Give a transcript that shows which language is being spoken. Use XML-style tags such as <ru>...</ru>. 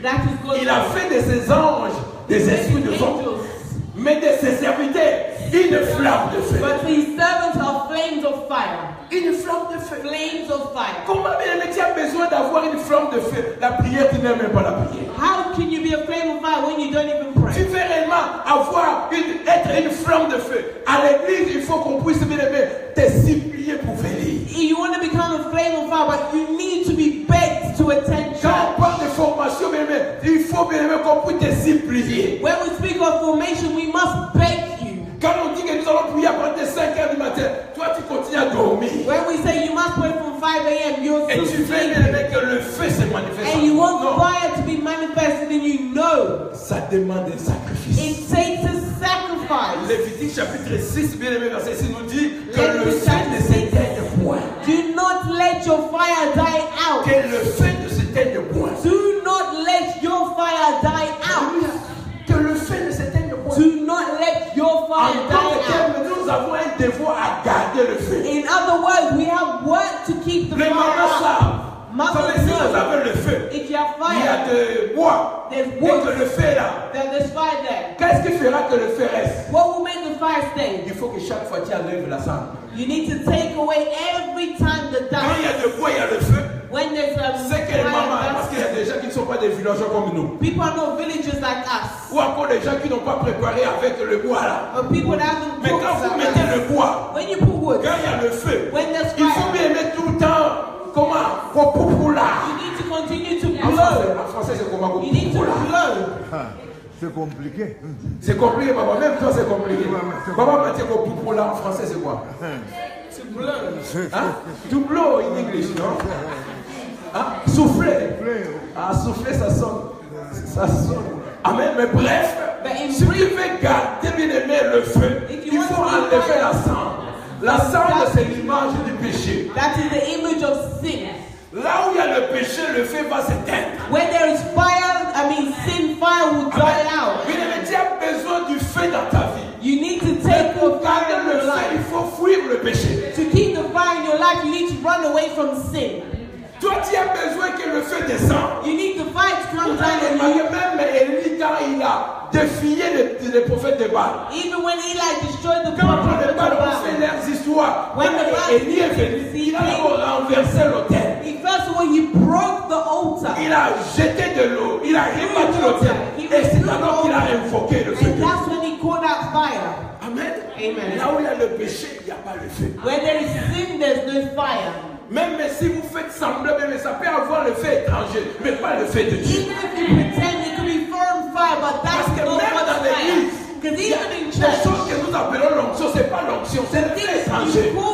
<en>That is God.</en> <fr>Il a fait de ses anges des esprits de feu. Mais de ses serviteurs, une flamme de feu.</fr> <en>But his servants are flames of fire.</en> <fr>Une flamme de feu.</fr> <en>Flames of fire.</en> <fr>Comment bien aimé, tu as besoin d'avoir une flamme de feu? La prière, tu n'aimes même pas la prière.</fr> <en>How can you be a flame of fire when you don't even pray?</en> <fr>Tu veux réellement avoir être une flamme de feu. À l'église, il faut qu'on puisse bien aimé te supplier pour venir.</fr> <en>You want to become a flame of fire, but you need to be begged to attend church.</en> <fr>Quand on parle de formation, bien aimé, il faut bien aimé qu'on puisse te supplier.</fr> <en>When we speak of formation, we must beg.</en> <fr>Quand on dit que nous allons prier à partir de 5h du matin, toi tu continues à dormir.</fr> <en>When we say you must pray from 5 a.m. you're still</en> <fr>et tu veux bien aimé que le feu se manifeste.</fr> <en>And you want fire to be manifested in you, no.</en> <fr>Ça demande un sacrifice.</fr> <en>It takes a sacrifice.</en> <fr>Lévitique chapitre 6, bien aimé verset 6 nous dit que le feu ne s'éteigne point.</fr> <en>Do not let your fire die out.</en> <fr>Que le feu ne s'éteigne point.</fr> <en>Do not let your fire die out.</en> <fr>Que le feu ne s'éteigne point.</fr> <en>Do not let your fire die out.</en> <fr>En tant que nous avons un devoir à garder le feu.</fr> <en>In other words, we have work to keep the fire.</en> <fr>Les mamans savent.</fr> <en>Mother knows. If you have fire,</en> <fr>il y a de bois.</fr> <en>There's wood.</en> <fr>Et que le feu là.</fr> <en>There's fire there.</en> <fr>Qu'est-ce qui fera que le feu reste?</fr> <en>What will make the fire stay?</en> <fr>Il faut que chaque fois tu enlèves la cendre.</fr> <en>You need to take away every time the dust.</en> <fr>Quand il y a de bois, il y a le feu.</fr> <en>When there's a</en> <fr>c'est que les mamans, parce qu'il y a des gens qui ne sont pas des villageois comme nous.</fr> <en>People are not villagers like us.</en> <fr>Ou encore des gens qui n'ont pas préparé avec le bois là.</fr> <en>People that haven't.</en> <fr>Mais quand vous mettez</fr> <en>us.</en> <fr>Le bois.</fr> <en>When you put wood.</en> <fr>Quand il y a le feu.</fr> <en>When there's fire.</en> <fr>Il faut bien mettre tout le temps. Comment?</fr> <en>You need to continue to blow.</en> <fr>En français, c'est comment?</fr> <en>You need to blow.</en> <fr>C'est compliqué. C'est compliqué, papa. Même toi, c'est compliqué. Papa, maintenant, au pipo là, en français, c'est quoi? C'est blanc. Hein? Tout blanc, en anglais, non? Hein? Souffler. Ah, souffler, ça sonne. Ça sonne. Amen. Mais bref, si tu veux garder, bien aimé, le feu, il faut enlever la cendre. La cendre, c'est l'image du péché.</fr> <en>That is the image of sin.</en> <fr>Là où il y a le péché, le feu va s'éteindre.</fr> <en>Where there is fire, I mean sin, fire will die out.</en> <fr>Bien aimé, tu as besoin du feu dans ta vie.</fr> <en>You need to take the fire in your life.</en> <fr>Il faut fuir le péché.</fr> <en>To keep the fire in your life, you need to run away from sin.</en> <fr>Toi, tu as besoin que le feu descende.</fr> <en>You need the fire to come down in you.</en> <fr>Même Élie, quand il a défié les prophètes de Baal.</fr> <en>Even when Eli destroyed the prophets of Baal.</en> <fr>Quand le Baal a fait leurs histoires, quand Élie est venu, il a renversé l'autel.</fr> <en>First of all, he broke the altar.</en> <fr>Il a jeté de l'eau. Il a rebattu l'autel. Et c'est alors qu'il a invoqué le feu.</fr> <en>And that's when he called out fire. Amen. Amen.</en> <fr>Là où il y a le péché, il n'y a pas le feu.</fr> <en>Where there is sin, there's no fire.</en> <fr>Même si vous faites semblant, mais ça peut avoir le feu étranger, mais pas le feu de Dieu.</fr> <en>Even if you pretend, it could be foreign fire, but that's not fire.</en> <fr>Parce que même dans l'église,</fr> <en>because</en> <fr>les choses que nous appelons l'onction, c'est pas l'onction, c'est le feu étranger.</fr>